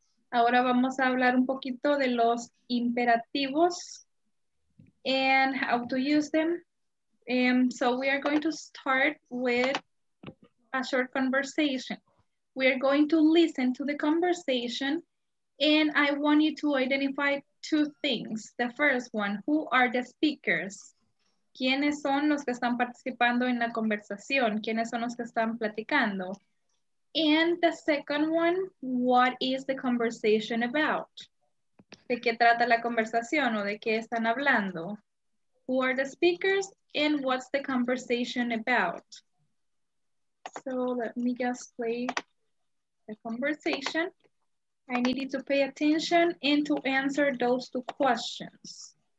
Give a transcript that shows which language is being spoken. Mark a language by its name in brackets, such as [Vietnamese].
[Spanish] Ahora vamos a hablar un poquito de los imperativos [English] and how to use them. So we are going to start with a short conversation. We are going to listen to the conversation and I want you to identify two things. The first one, who are the speakers? [Spanish] ¿Quiénes son los que están participando en la conversación? ¿Quiénes son los que están platicando? [English] And the second one, what is the conversation about? [Spanish] ¿De qué trata la conversación o de qué están hablando? [English] Who are the speakers and what's the conversation about? So let me just play the conversation. I need you to pay attention and to answer those two questions.